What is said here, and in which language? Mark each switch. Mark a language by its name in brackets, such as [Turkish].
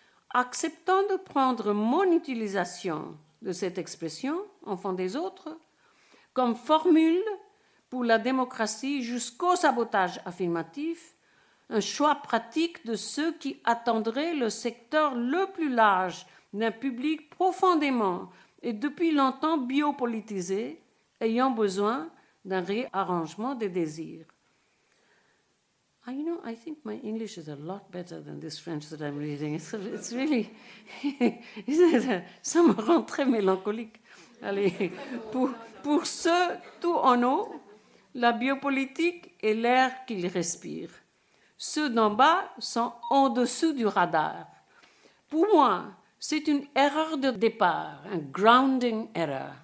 [French] Acceptant de prendre mon utilisation de cette expression, enfant des autres, comme formule pour la démocratie jusqu'au sabotage affirmatif, un choix pratique de ceux qui attendraient le secteur le plus large d'un public profondément et depuis longtemps biopolitisé, ayant besoin d'un réarrangement des désirs. [English] You know, I think my English is a lot better than this French that I'm reading. It's really, isn't it? [French] Ça me rend très mélancolique. Allez, pour ceux tout en haut, la biopolitique est l'air qu'ils respirent. Ceux d'en bas sont en dessous du radar. Pour moi, c'est une erreur de départ, un grounding error.